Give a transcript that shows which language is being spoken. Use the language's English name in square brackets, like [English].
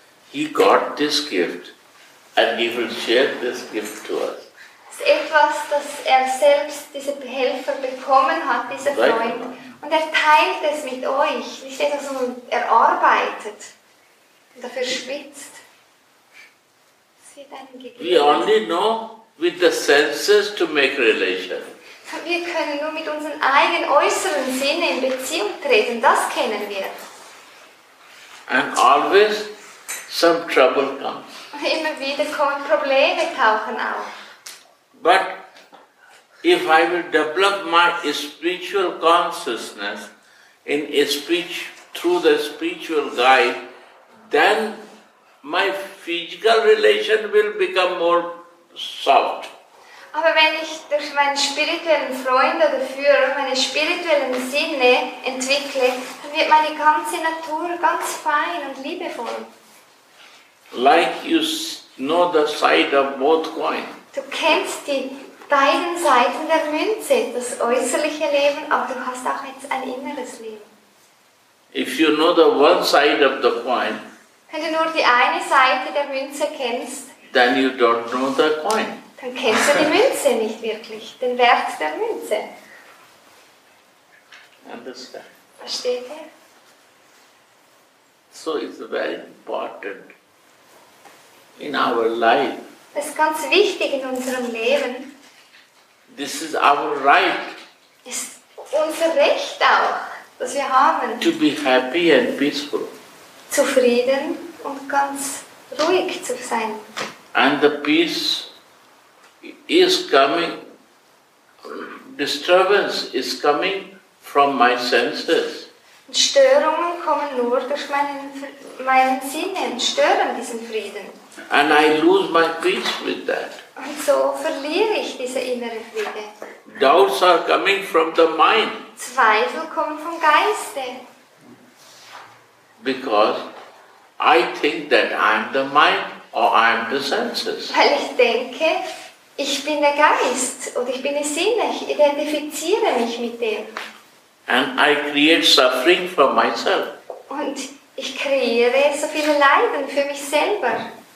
[English] He got this gift and he will share this gift to us. [German] Etwas, dass selbst diese Helfer bekommen hat, dieser Freund, und teilt es mit euch, nicht etwas, was erarbeitet und dafür schwitzt. Es wird einem gegeben. [English] We only know with the senses to make relation. [German] Wir können nur mit unseren eigenen äußeren Sinnen in Beziehung treten, das kennen wir. [English] And always some trouble comes. [German] Immer wieder kommen Probleme tauchen auf. [English] But if I will develop my spiritual consciousness in a speech through the spiritual guide, then my physical relation will become more soft. [German] Aber wenn ich durch meinen spirituellen Freund oder Führer meine spirituellen Sinne entwickle, dann wird meine ganze Natur ganz fein und liebevoll. [English] Like you know the side of both coins. [German] Du kennst die beiden Seiten der Münze, das äußerliche Leben, aber du hast auch jetzt ein inneres Leben. [English] If you know the one side of the coin, [German] wenn du nur die eine Seite der Münze kennst, [English] then you don't know the coin. [German] Dann kennst du die Münze nicht wirklich, den Wert der Münze. [English] Understand. [German] Versteht ihr? [English] So it's very important in our life. [German] Das ist ganz wichtig in unserem Leben. [English] This is our right. [German] Ist unser Recht auch, das wir haben. [English] To be happy and peaceful. [German] Zufrieden und ganz ruhig zu sein. [English] And the peace is coming, disturbance is coming from my senses. [German] Störungen kommen nur durch meinen Sinnen, stören diesen Frieden. [English] And I lose my peace with that. [German] Und so verliere ich diese innere Friede. [English] Doubts are coming from the mind. [German] Zweifel kommen vom Geiste. [English] Because I think that I am the mind or I am the senses. [German] Weil ich denke, ich bin der Geist oder ich bin der Sinn, ich identifiziere mich mit dem. [English] And I create suffering for myself. [German] Und ich kreiere so viele Leiden für mich selber.